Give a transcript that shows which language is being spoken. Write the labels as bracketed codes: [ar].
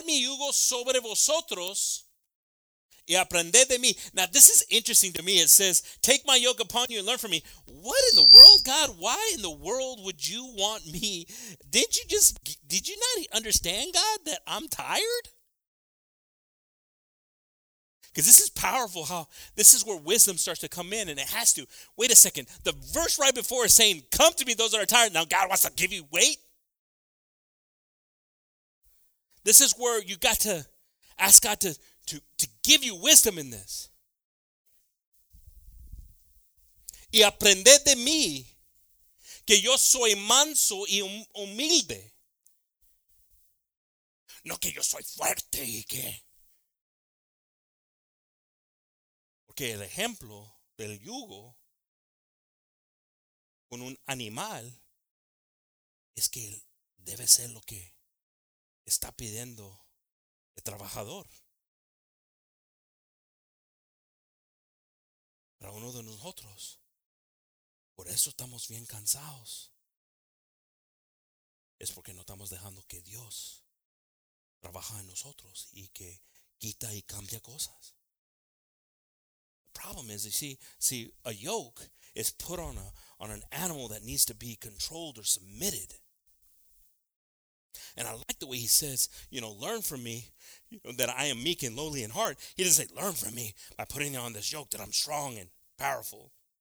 [es] Llevad mi yugo sobre vosotros y aprended de mí. [en] Now, this is interesting to me. It says, take my yoke upon you and learn from me. What in the world, God? Why in the world would you want me? Did you not understand, God, that I'm tired? Because this is powerful, how this is where wisdom starts to come in, and it has to. Wait a second. The verse right before is saying, come to me, those that are tired. Now God wants to give you weight. This is where you got to ask God to give you wisdom in this. [es] Y aprended de mí que yo soy manso y humilde. No que yo soy fuerte y que... Que el ejemplo del yugo con un animal es que debe ser lo que está pidiendo el trabajador. Para uno de nosotros, por eso estamos bien cansados. Es porque no estamos dejando que Dios trabaja en nosotros y que quita y cambia cosas. [en] Problem is, you see, a yoke is put on an animal that needs to be controlled or submitted. And I like the way he says, you know, learn from me, you know, that I am meek and lowly in heart. He doesn't say, learn from me by putting on this yoke that I'm strong and powerful.